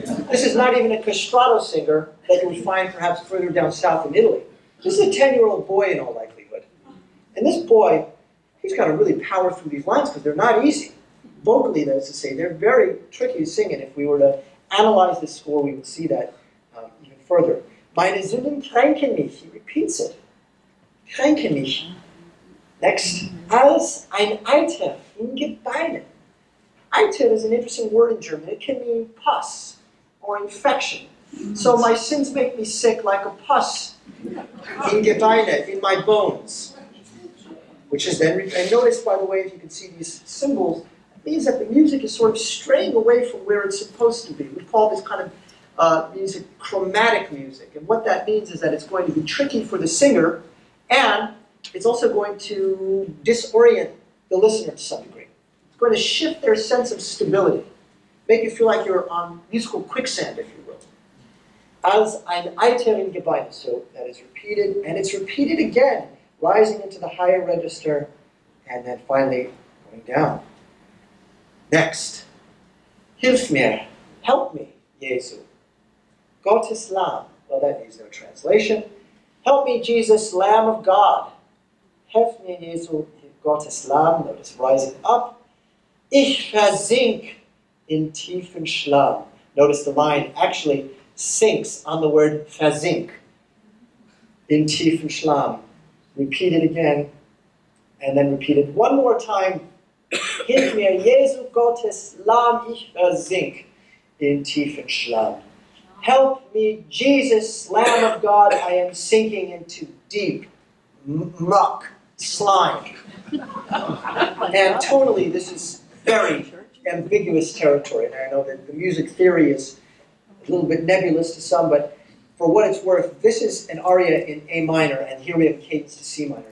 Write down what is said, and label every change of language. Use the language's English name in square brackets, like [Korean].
[English] This is not even a castrato singer that you would find perhaps further down south in Italy. This is a 10-year-old boy in all likelihood. And this boy, he's got to really power through these lines because they're not easy. Vocally, that is to say, they're very tricky to sing. And if we were to analyze this score, we would see that even further. [German] Meine Sünden kränken mich. [English] He repeats it. [German] Kränken mich. [English] Next. [German] Als ein Eiter in Gebeinen. [English] Eiter is an interesting word in German. It can mean pus or infection. So my sins make me sick like a pus [German] in Gebeinen, [English] in my bones. Which is then, and notice, by the way, if you can see these symbols, means that the music is sort of straying away from where it's supposed to be. We call this kind of music chromatic music. And what that means is that it's going to be tricky for the singer, and it's also going to disorient the listener to some degree. It's going to shift their sense of stability, make you feel like you're on musical quicksand, if you will. [German] Als ein Eiter in Gebeinen, [English] so that is repeated, and it's repeated again, rising into the higher register, and then finally going down. Next, [German] hilf mir, [English] help me, [German] Jesu, Gottes Lamm. [English] Well, that needs no translation. Help me, Jesus, Lamb of God. [German] Hilf mir, Jesu, Gottes Lamm. [English] Notice rising up. [German] Ich versink in tiefen Schlamm. [English] Notice the line actually sinks on the word versink, [German] in tiefen Schlamm. [English] Repeat it again, and then repeat it one more time. [German] Hilf mir, Jesu Gottes Lamm, ich versink in tiefen Schlamm. [English] Help me, Jesus, Lamb of God, I am sinking into deep muck, slime. And tonally, this is very ambiguous territory. And I know that the music theory is a little bit nebulous to some, but for what it's worth, this is an aria in A minor, and here we have cadence to C minor.